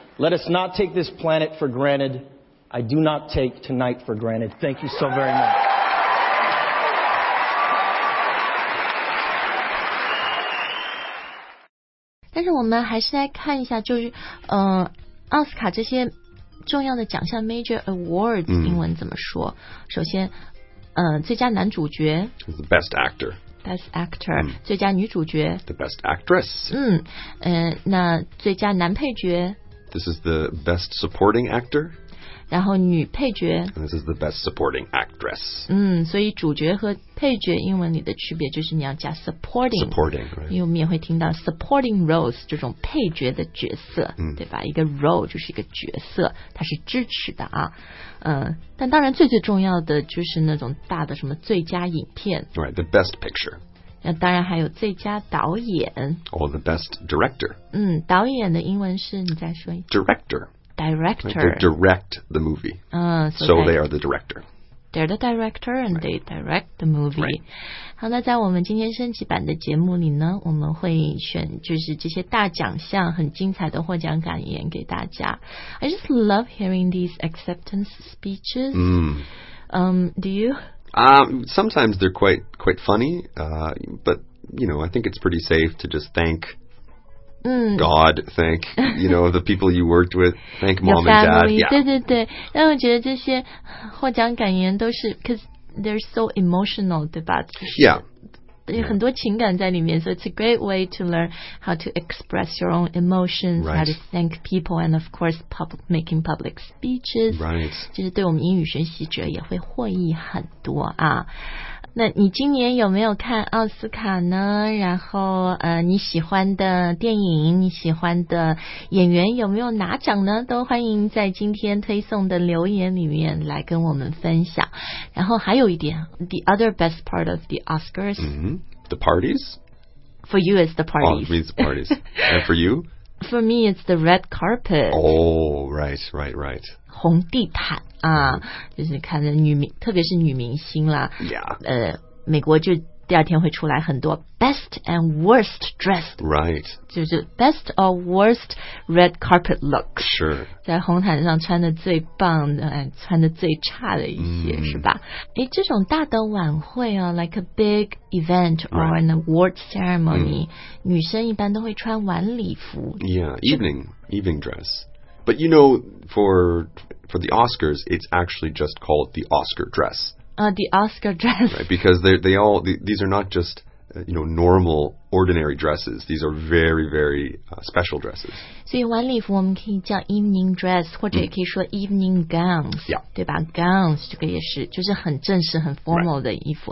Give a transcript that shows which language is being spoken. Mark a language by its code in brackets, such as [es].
[en] Let us not take this planet for granted. I do not take tonight for granted. Thank you so very much. But we still have to look at the Oscar, these... [zh] 重要的奖项 [en] Major Awards、嗯、 [zh] 英文怎么说首先、最佳男主角 [en] The Best Actor Best Actor、 [zh] 嗯、最佳女主角 [en] The Best Actress、 [zh] 嗯那最佳男配角 [en] This is the Best Supporting Actor [zh] 然后女配角 [en] This is the Best Supporting Actress、 [zh] 嗯、所以主角和配角英文里的区别就是你要加 Supporting、 [en] right. [zh] 因为我们也会听到 Supporting Roles 这种配角的角色、嗯、对吧一个 Role 就是一个角色它是支持的啊、但当然最最重要的就是那种大的什么最佳影片 [en] Right, The Best Picture [zh] 当然还有最佳导演 [en] Or the Best Director、 [zh] 嗯、导演的英文是你再说一 [en] 下 Director Director They direct the movie、 so they are the director They're the director and they direct the movie、 right. [zh] 好那在我们今天升级版的节目里呢我们会选就是这些大奖项很精彩的获奖感言给大家 [en] I just love hearing these acceptance speeches、 mm. Do you?、 Sometimes they're quite funny、but you know I think it's pretty safe to just thank、 mm. God thank you know the people you worked with thank mom family, and dad、yeah. [zh] 对对对但我觉得这些获奖感言都是 [en] because they're so emotional [zh] 对吧、就是、 [en] yeah [zh] 有很多情感在里面、 [en] yeah. so it's a great way to learn how to express your own emotions、 right. how to thank people and of course public, making public speeches right [zh] 就是对我们英语学习者也会获益很多啊那你今年有没有看奥斯卡呢然后你喜欢的电影你喜欢的演员有没有拿奖呢都欢迎在今天推送的留言里面来跟我们分享然后还有一点 [en] the other best part of the Oscars、 mm-hmm. the parties for you it's the parties,、 oh, it's the parties. and for you for me it's the red carpet oh right [zh] 红地毯啊，就是看着女明，特别是女明星啦。 [en] Yeah. [zh] 美国就第二天会出来很多 [en] best and worst dressed. Right. [zh] 就是 [en] best or worst red carpet look. Sure. [zh] 在红毯上穿的最棒的、哎、穿的最差的一些、mm. 是吧、哎、这种大的晚会啊 [en] like a big event or、 [zh] right. [en] an award ceremony,、mm. [zh] 女生一般都会穿晚礼服。 [en] Yeah, evening dress. But you know, for the Oscars, it's actually just called the Oscar dress. The Oscar dress. Right, because these are not just, you know, normal, ordinary dresses. These are very, very, special dresses. [zh] 所以晚礼服我们可以叫 evening dress, 或者也可以说 evening gowns,、 mm. 对吧 ?gowns, 这个也是就是很正式很 formal 的衣服。